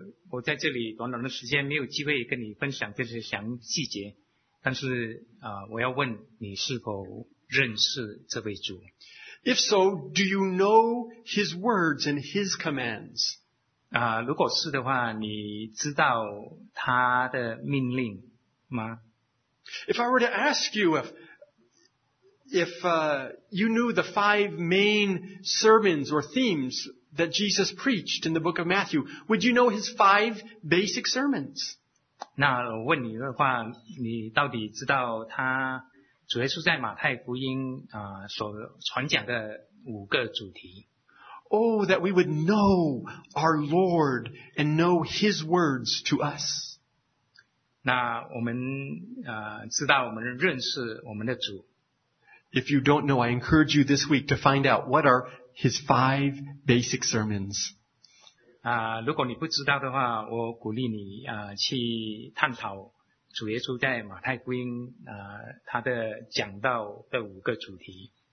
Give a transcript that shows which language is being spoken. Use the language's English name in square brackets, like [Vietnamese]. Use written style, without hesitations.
[Chinese] 我在这里短短的时间没有机会跟你分享这些详细节，但是我要问你是否认识这位主。 [English] If so, do you know his words and his commands? [Chinese] 如果是的话，你知道他的命令吗？ [English] If I were to ask you if you knew the five main sermons or themes that Jesus preached in the book of Matthew, would you know his five basic sermons? [Chinese] 那我问你的话，你到底知道他主耶稣在马太福音所传讲的五个主题？ [English] Oh, that we would know our Lord and know his words to us. [Chinese] 那我们知道我们认识我们的主。 [English] If you don't know, I encourage you this week to find out what are his five basic sermons. [Chinese] 如果你不知道的话，我鼓励你去探讨主耶稣在马太福音他的讲道的五个主题。